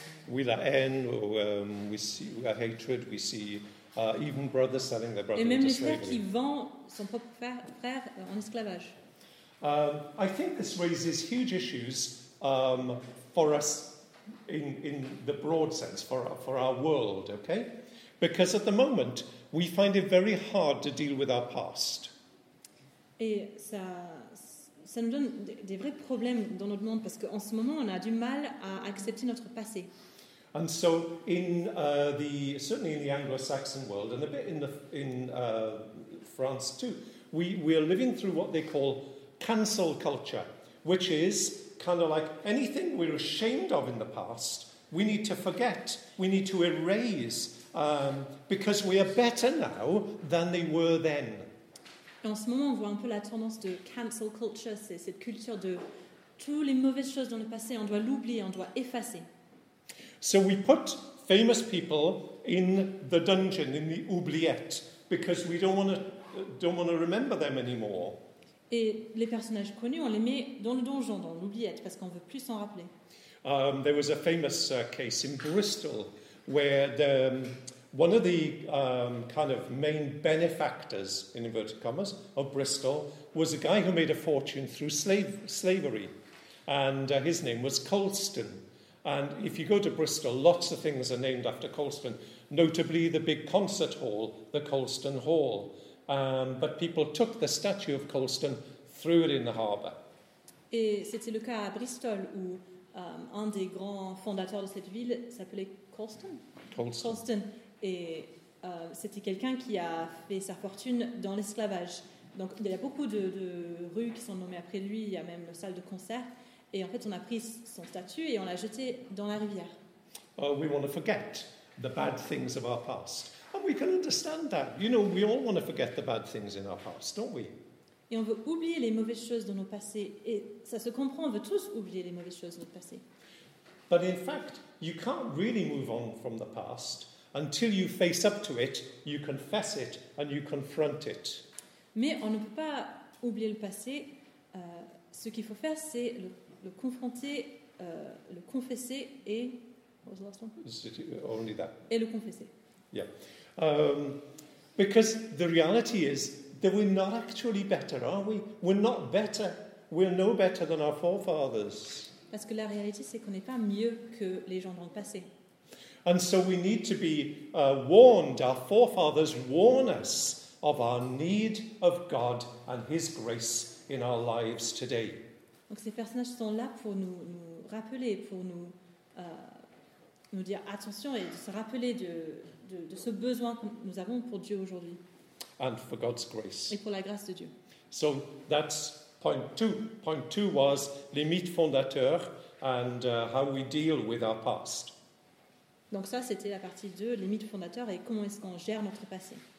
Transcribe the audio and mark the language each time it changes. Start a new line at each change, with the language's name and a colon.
English: We
French: la haine,
English: we see la hatred, we see even brothers selling their brothers into slavery.
French: Et même les frères qui vendent son propre frère en esclavage.
English: I think this raises huge issues for us in the broad sense, for our world, okay? Because at the moment, we find it very hard to deal with our past.
French: Et ça nous donne des vrais problèmes dans notre monde, parce qu'en ce moment, on a du mal à accepter notre passé.
English: And so, certainly in the Anglo-Saxon world, and a bit in France too, we are living through what they call cancel culture, which is kind of like anything we're ashamed of in the past, we need to forget, we need to erase, because we are better now than they were then.
French: En ce moment, on voit un peu la tendance de cancel culture, c'est cette culture de toutes les mauvaises choses dans le passé, on doit l'oublier, on doit effacer.
English: So we put famous people in the dungeon, in the oubliette, because we don't want to remember them anymore.
French: Et les personnages connus, on les met dans le donjon, dans l'oubliette, parce qu'on veut plus s'en rappeler.
English: There was a famous case in Bristol where one of the kind of main benefactors, in inverted commas, of Bristol was a guy who made a fortune through slavery. And his name was Colston. And if you go to Bristol, lots of things are named after Colston, notably the big concert hall, the Colston Hall. But people took the statue of Colston, threw it in the harbour.
French: Et c'était le cas à Bristol où un des grands fondateurs de cette ville s'appelait Colston. Colston. Et c'était quelqu'un qui a fait sa fortune dans l'esclavage. Donc il y a beaucoup de rues qui sont nommées après lui, il y a même une salle de concert. Et en fait, on a pris son statue et on l'a jeté dans la rivière.
English: We want to forget the bad things of our past. And we can understand that. You know, we all want to forget the bad things in our past, don't we?
French: Et on veut oublier les mauvaises choses de nos passés. Et ça se comprend, on veut tous oublier les mauvaises choses de notre passé.
English: But in fact, you can't really move on from the past until you face up to it, you confess it, and you confront it.
French: Mais on ne peut pas oublier le passé. Ce qu'il faut faire, c'est le confronter, le confesser et...
English: What was the last one? Only that.
French: Et le confesser.
English: Yeah. Because the reality is that we're not actually better, are we? We're not better. We're no better than our forefathers.
French: Parce que la réalité, c'est qu'on n'est pas mieux que les gens dans le passé.
English: And so we need to be warned, our forefathers warn us of our need of God and His grace in our lives today.
French: Donc ces personnages sont là pour nous rappeler, pour nous dire attention et de se rappeler de ce besoin que nous avons pour Dieu aujourd'hui.
English: And for God's grace.
French: Et pour la grâce de Dieu.
English: So that's point two. Point two was
French: les mythes fondateurs
English: and how we deal with our past.
French: Donc ça c'était la partie 2, les mythes fondateurs et comment est-ce qu'on gère notre passé.